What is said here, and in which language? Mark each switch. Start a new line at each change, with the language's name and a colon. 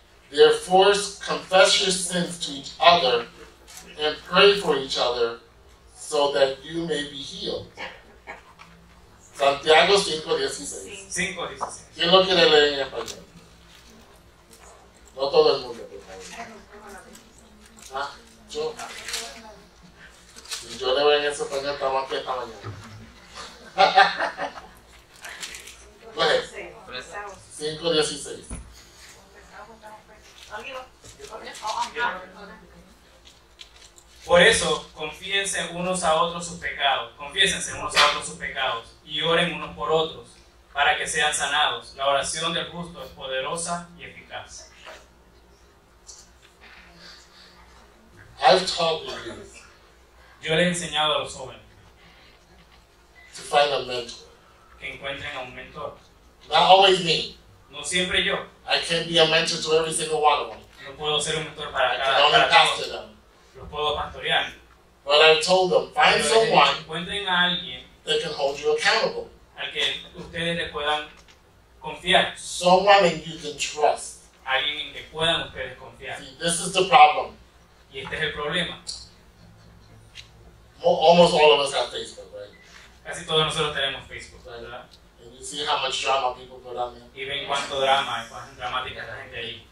English: Therefore, confess your sins to each other and pray for each other so that you may be healed.
Spanish: Santiago 5:16. 5:16. ¿Quién lo quiere leer en español? No todo el mundo, por favor. Ah, yo. Si yo le voy en español, estamos aquí esta mañana. ¿Cuál es? 5:16. Por eso, confíense unos a otros sus pecados. Confíense unos a otros sus pecados. Y oren unos por otros, para que sean sanados. La oración del justo es poderosa y eficaz.
English: I've taught the youth.
Spanish: Yo les he enseñado a los jóvenes.
English: To find a mentor.
Spanish: Que encuentren a un mentor.
English: Not always me.
Spanish: No siempre yo.
English: I can't be a mentor to every single one of them.
Spanish: No puedo ser un mentor para cada uno.
English: I can only pastor them.
Spanish: Los puedo pastorear.
English: But I've told them, find someone.
Spanish: Encuentren a alguien.
English: That can hold you accountable.
Spanish: Al que ustedes le puedan confiar.
English: Someone you can trust.
Spanish: Alguien en que puedan ustedes confiar.
English: See, this is the problem.
Spanish: Y este es el problema.
English: Almost all of us have Facebook, right?
Spanish: Casi todos nosotros tenemos Facebook, ¿verdad?
English: Right. And you see how much drama people put on there.
Spanish: Y ven cuánto drama, y cuán dramática la gente ahí.